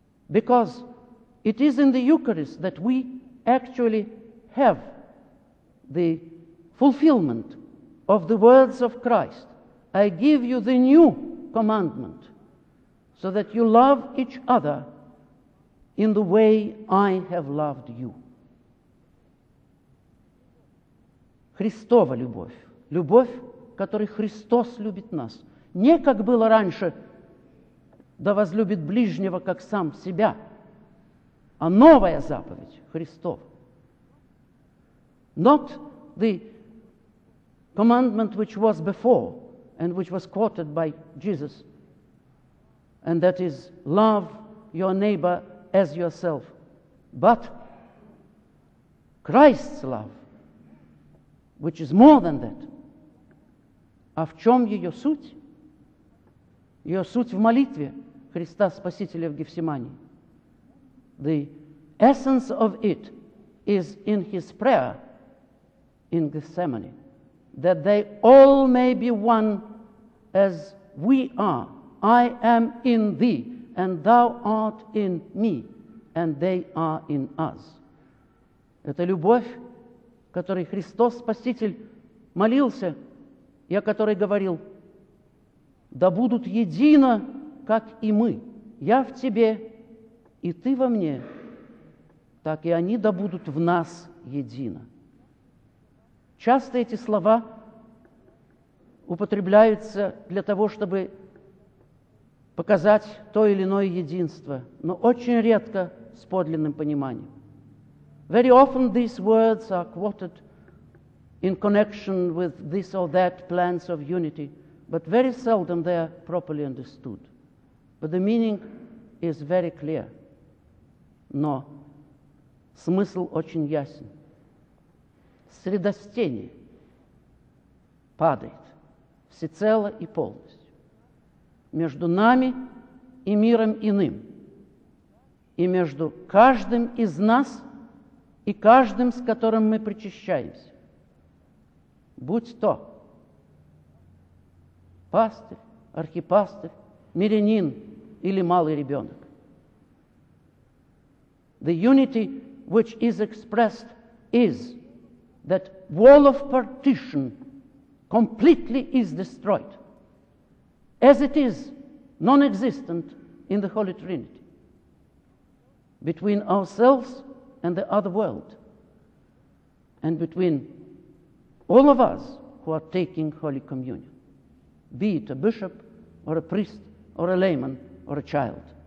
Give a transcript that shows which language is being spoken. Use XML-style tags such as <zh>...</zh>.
<en>Because it is in the Eucharist that we actually have the fulfillment of the words of Christ, I give you the new commandment, so that you love each other in the way I have loved you.</en> <ru>Христова любовь. Любовь, которой Христос любит нас. Не как было раньше, да возлюбит ближнего, как сам себя, а новая заповедь Христов.</ru> <en>Not the commandment which was before and which was quoted by Jesus, and that is love your neighbor as yourself, but Christ's love, which is more than that.</en> <ru>А в чем ее суть? Ее суть в молитве Христа Спасителя в Гефсимании.</ru> <en>The essence of it is in his prayer in Gethsemane, that they all may be one as we are. I am in thee, and thou art in me, and they are in us.</en> <ru>Это любовь, которой Христос Спаситель молился, и о которой говорил, да будут едино, как и мы. Я в тебе, и ты во мне, так и они да будут в нас едино. Часто эти слова употребляются для того, чтобы показать то или иное единство, но очень редко с подлинным пониманием.</ru> <en>Very often these words are quoted in connection with this or that plans of unity, but very seldom they are properly understood. But the meaning is very clear.</en> <ru>Но смысл очень ясен. Средостение падает всецело и полностью между нами и миром иным, и между каждым из нас и каждым, с которым мы причащаемся. Будь то пастырь, архипастырь, мирянин или малый ребенок.</ru> <en>The unity which is expressed is that wall of partition completely is destroyed, as it is non-existent in the Holy Trinity, between ourselves and the other world, and between all of us who are taking Holy Communion, be it a bishop or a priest or a layman or a child.</en>